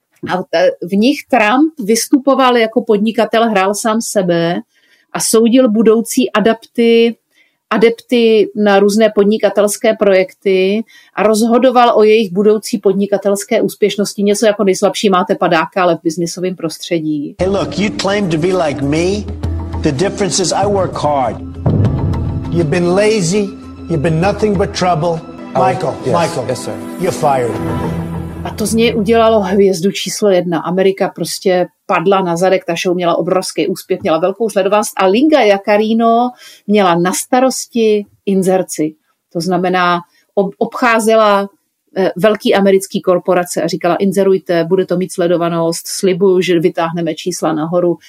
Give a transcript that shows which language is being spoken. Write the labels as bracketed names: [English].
[Czech] A v nich Trump vystupoval jako podnikatel, hrál sám sebe a soudil budoucí adapty adepty na různé podnikatelské projekty a rozhodoval o jejich budoucí podnikatelské úspěšnosti. Něco jako nejslabší máte padáka, ale v biznisovém prostředí. [English] Hey look, you claim to be like me. The difference is I work hard. You've been lazy, you've been nothing but trouble. Michael, you're fired. [Czech] A to z něj udělalo hvězdu číslo jedna. Amerika prostě padla na zadek, ta show měla obrovský úspěch, měla velkou sledovanost a Linga Yaccarino měla na starosti inzerci. To znamená, obcházela velký americký korporace a říkala, inzerujte, bude to mít sledovanost, slibuju, že vytáhneme čísla nahoru.